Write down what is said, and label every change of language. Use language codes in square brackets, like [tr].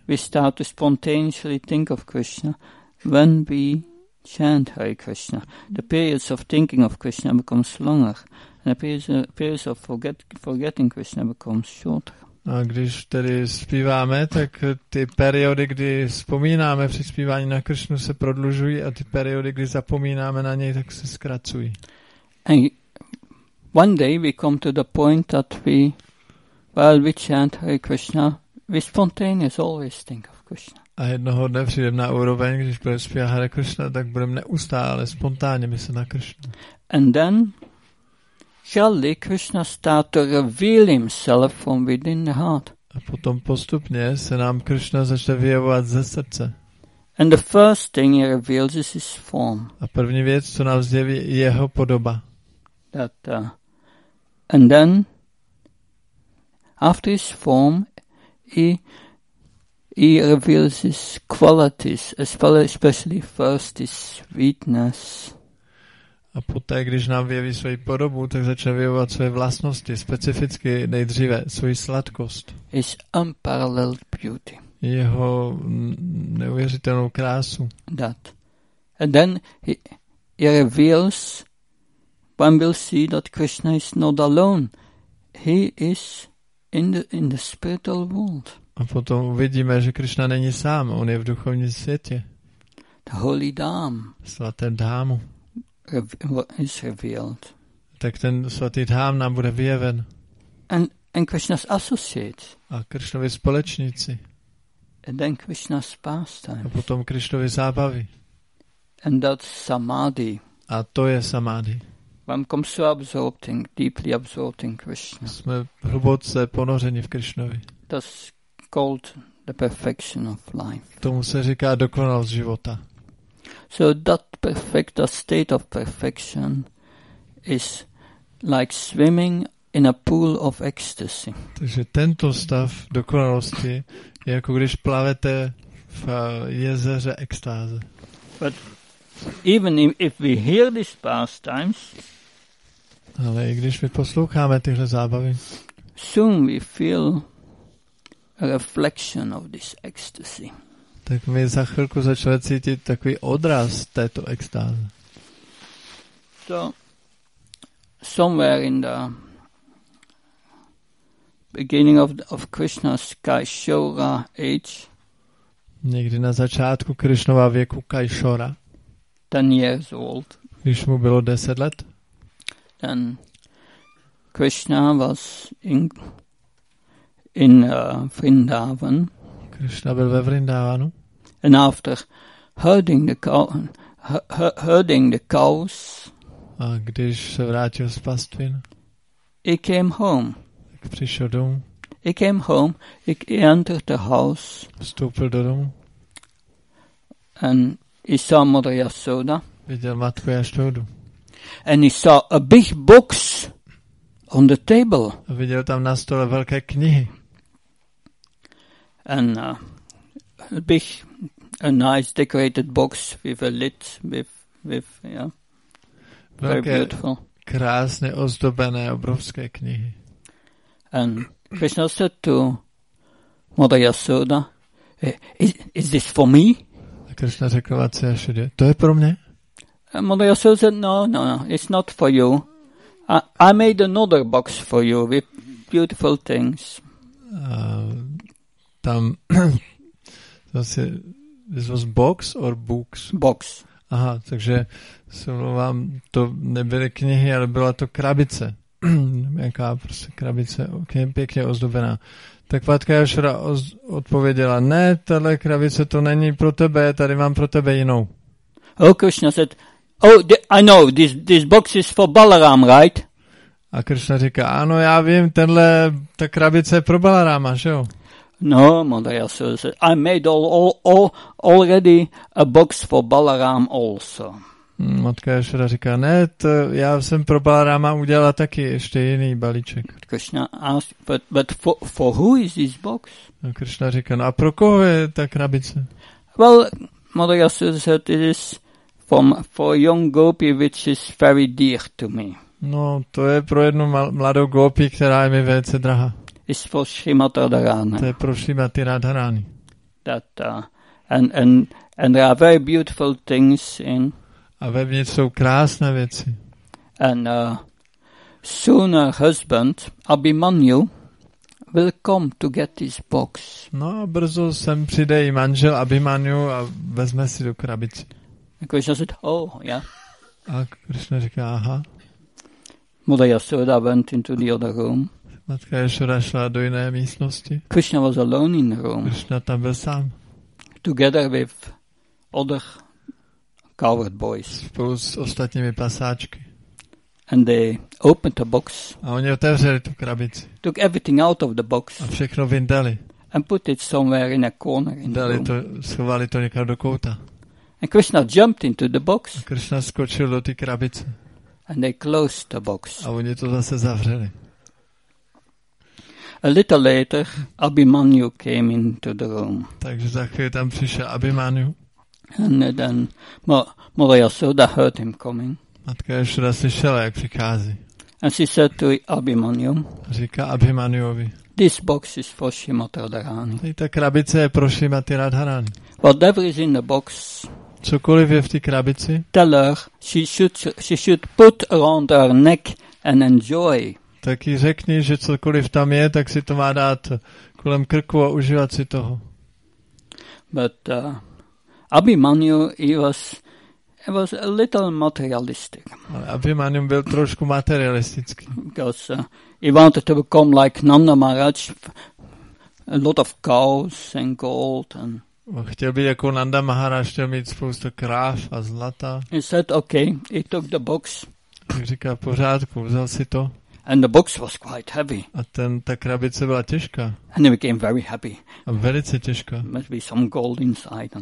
[en] we start to spontaneously think of Krishna when we chant Hare Krishna. The periods of thinking of Krishna becomes longer, and the periods of forgetting Krishna becomes shorter. [cs] A když tedy zpíváme, tak ty periody, kdy vzpomínáme při zpívání na Krishnu, se prodlužují a ty periody, kdy zapomínáme na něj, tak se zkracují. [en] And one day we come to the point that while we chant Hare Krishna, we spontaneously always think of Krishna. [cs] A jednoho dne přijdeme na úroveň, když budeme zpívat Hare Krishna, tak budeme neustále spontánně myslet na Krishnu. [en] And then surely Krishna start to reveal himself from within the heart. [cs] A potom postupně se nám Krishna začne vyjevovat ze srdce. [en] And the first thing he reveals is his form. [cs] A první věc, co nám zjeví, je jeho podoba. [en] That, and then after his form he reveals his qualities, especially first his sweetness. [cs] A poté, když nám vyjeví svoji podobu, tak začne vyjevovat své vlastnosti, specificky nejdříve svoji sladkost. [en] His unparalleled beauty. [cs] Jeho neuvěřitelnou krásu. [en] That. And then he reveals, one will see that Krishna is not alone. He is in the spiritual world. [cs] A potom uvidíme, že Krishna není sám, on je v duchovním světě. [en] The holy dam. [cs] Svaté dámu. [en] Is revealed. [cs] Tak ten svatý dhám nám bude vyjeven. [en] And Krishna's associates. [cs] A Krishnovi společníci. [en] And then Krishna's pastimes. [cs] A potom Krishnovi zábavy. [en] And that's samadhi. [cs] A to je samadhi. [en] One comes so absorbed in, deeply absorbed in Krishna. [cs] Jsme hluboce ponořeni v Krishnovi. [en] That's called the perfection of life. [cs] Tomu se říká dokonalost života. [en] So that perfect a state of perfection is like swimming in a pool of ecstasy. [cs] Takže tento stav dokonalosti je jako když plavete v jezeře extáze. [en] But even if we hear these pastimes, [cs] ale i když my posloucháme tyhle zábavy, [en] soon we feel a reflection of this ecstasy. [cs] Tak my za chvilku začneme cítit takový odraz této extáze. [en] So, somewhere in the beginning of Krishna's Kaishora age. [cs] Někdy na začátku Krishnova věku Kaishora. [en] 10 years old. [cs] Když mu bylo 10 let. [en] Then Krishna was in Vrindavan. [cs] Krishna byl ve Vrindavanu. [en] And after herding the cows, [cs] a když se vrátil z pastvin, [en] he came home. [cs] Tak přišel domů. [en] He came home. He entered the house. [cs] Vstoupil do domu. [en] And he saw Mother Yasoda. [cs] Viděl matku Yasodu. [en] And he saw a big books on the table. [cs] A viděl tam na stole velké knihy. [en] And a nice decorated box with a lid with yeah. Very velké, beautiful. [cs] Krásně ozdobené obrovské knihy. [en] And Krishna said to Mother Yasoda, is this for me? [cs] Krishna řekl Vatsyášodě, to je pro mě? [en] Mother Yasoda said, no, it's not for you. I made another box for you with beautiful things. [cs] Tam zase, [en] this was box or books? Box. [cs] Aha, takže vám to nebyly knihy, ale byla to krabice. Nějaká prostě krabice, pěkně ozdobená. Tak Vatka Yasoda odpověděla, ne, tato krabice to není pro tebe, tady mám pro tebe jinou. [en] Oh, Krishna said, this box is for Balaram, right? [cs] A Krishna říká, ano, já vím, tenhle, ta krabice je pro Balarama, že jo? [en] No, Mother Yasoda said, I made already a box for Balaram also. [cs] Matka Yasoda říká, ne, to já jsem pro Balarama udělala taky ještě jiný balíček. [en] Krishna asked, but for who is this box? [cs] A Krishna říká, no a pro koho je ta krabice? [en] Well, Mother Yasoda said, it is for young gopi, which is very dear to me. [cs] No, to je pro jednu mladou gopi, která je mi velice drahá. [en] It's for Srimati Radharani. [cs] To je pro Srimati Radharani. [en] That, and there are very beautiful things in. [cs] A vevnitř jsou krásné věci. [en] And soon her husband, Abhimanyu, will come to get his box. [cs] No a brzo sem přijde i manžel Abhimanyu a vezme si do krabice. [en] A Krishna said, yeah. [cs] A Krishna říká, aha. [en] Mother Yasoda went into the other room. [cs] Matka Yasoda šla do jiné místnosti. [en] Krishna was alone in the room. [cs] Krishna tam byl sám. [en] Together with other coward boys. [cs] Spolu s ostatními pasáčky. [en] And they opened the box. [cs] A oni otevřeli tu krabici. [en] Took everything out of the box. [cs] A všechno vyndali. [en] And put it somewhere in a corner in [cs] dali [en] the room. [cs] Schovali to někam do kouta. [en] And Krishna jumped into the box. [cs] A Krishna skočil do té krabice. [en] And they closed the box. [cs] A oni to zase zavřeli. [en] A little later, Abhimanyu came into the room. [cs] Takže za chvíli tam přišel Abhimanyu. [en] And then Mother Yasoda heard him coming. [cs] Matka Yasoda slyšela, jak přichází. [en] And she said to Abhimanyu. [cs] Říká Abhimanyuovi. [en] This box is for Srimati Radharani. [cs] Ta krabice je pro Srimati Radharani. [en] Whatever is in the box. [cs] Cokoliv je v té krabici. [en] Tell her she should put around her neck and enjoy. [cs] Tak jí řekni, že cokoliv tam je, tak si to má dát kolem krku a užívat si toho. [en] But Abhimanyu, he was a little materialistic. [cs] Ale Abhimanyu byl trošku materialistický. [en] Because he wanted to become like Nanda Maharaj, a lot of cows and gold and. [cs] Chtěl být jako Nanda Maharaj, chtěl mít spoustu kráv a zlata. [en] He said, okay, he took the box. [cs] Tak říká, v pořádku, vzal si to. [en] And the box was quite heavy. [cs] A ta krabice byla těžká. [en] And he became very happy. [cs] A velice těžká. [en] Must be some gold inside.